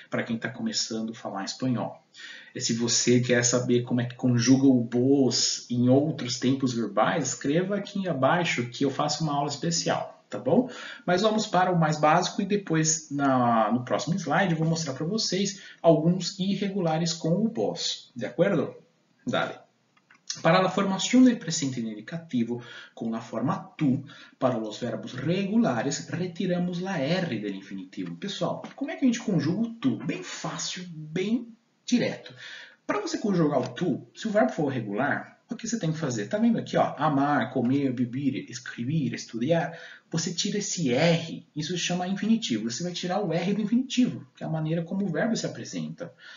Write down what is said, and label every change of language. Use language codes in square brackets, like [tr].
[pt] Para quem está começando a falar espanhol. E se você quer saber como é que conjuga o vos em outros tempos verbais, escreva aqui abaixo que eu faço uma aula especial, tá bom? Mas vamos para o mais básico e depois no próximo slide eu vou mostrar para vocês alguns irregulares com o vos, de acordo? [es] Dale. Para la formación del presente indicativo con la forma tu, para los verbos regulares, retiramos la R del infinitivo. [pt] Pessoal, como é que a gente conjuga o tu? Bem fácil, bem direto. Para você conjugar o tu, se o verbo for regular, o que você tem que fazer? Tá vendo aqui, ó? Amar, comer, beber, escrever, estudiar. Você tira esse R, isso se chama infinitivo. Você vai tirar o R do infinitivo, que é a maneira como o verbo se apresenta.